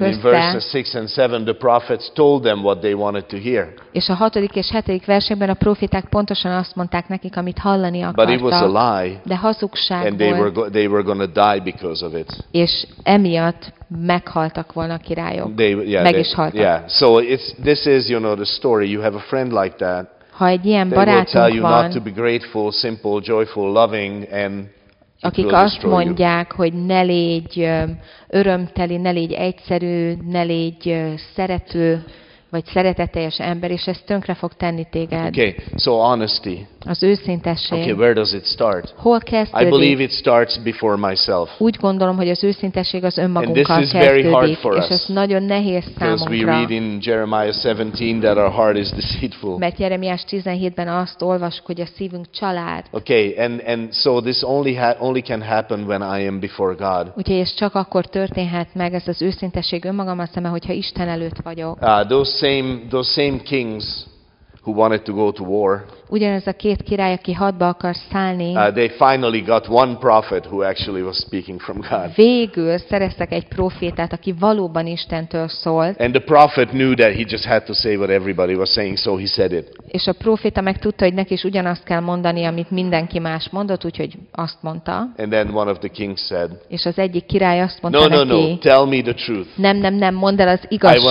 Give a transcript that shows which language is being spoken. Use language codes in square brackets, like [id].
[en] and in verses 6 and 7 the prophets told them what they wanted to hear. [hu] És a 6. és 7. versekben a proféták pontosan azt mondták nekik, amit hallani akartak. [en] But it was a lie. [hu] De hazugság volt. [en] And they were going to die because of it. [hu] És emiatt meghaltak volna a királyok. Is haltak. [en] Yeah. So this is you know the story. You have a friend like that. [hu] Ha egy ilyen barátunk [en] they will tell you [hu] van, [en] not to be grateful, simple, joyful, loving and [hu] akik azt mondják, hogy ne légy örömteli, ne légy egyszerű, ne légy szerető, vagy szereteteljes ember, és ez tönkre fog tenni téged. [en] Okay, so honesty. [hu] Az őszintesség. [en] Okay, where does it start? [hu] Hol kezdődik? [en] I believe it starts before myself. [hu] Úgy gondolom, hogy az őszintesség az önmagunkkal kezdődik. [en] And this is very hard for us. [hu] És ez nagyon nehéz számunkra. [en] Because we read in Jeremiah 17 that our heart is deceitful. [hu] Mert Jeremiás 17-ben azt olvasjuk, hogy a szívünk család. [en] Okay, and so this only can happen when I am before God. [hu] Úgyhogy ez csak akkor történhet meg, ez az őszintesség önmagammal szemben, hogyha Isten előtt vagyok. [en] Those same kings who wanted to go to war. [hu] Ugyanez a két király, aki hadba akar szállni. [en] They finally got one prophet who actually was speaking from God. [hu] Végül szereztek egy prófétát, aki valóban Istentől szólt. [en] And the prophet knew that he just had to say what everybody was saying, so he said it. [hu] És a próféta megtudta, hogy neki is ugyanazt kell mondani, amit mindenki más mondott, úgyhogy azt mondta. [en] And then one of the kings said. [hu] És az egyik király azt mondta [en] no, [hu] neki. [en] No, tell me the truth. [hu] Nem, mondd el az igazságot.